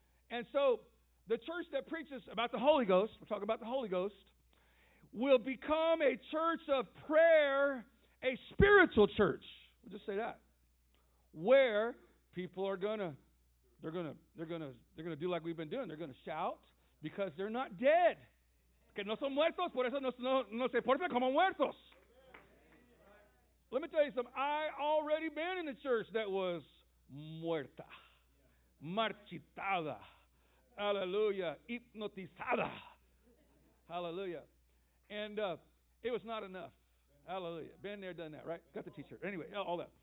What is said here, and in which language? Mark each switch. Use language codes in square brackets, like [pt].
[en] And so the church that preaches about the Holy Ghost, we're talking about the Holy Ghost, will become a church of prayer, a spiritual church. We'll just say that. Where people are gonna, they're gonna do like we've been doing. They're gonna shout because they're not dead. [es] Que no son muertos, por eso no se portan como muertos. [en] Let me tell you something. I already been in a church that was [es] muerta, marchitada. [en] Hallelujah, hypnotizada. Hallelujah. And it was not enough. Hallelujah. Been there, done that, right? Got the t-shirt. Anyway, all that.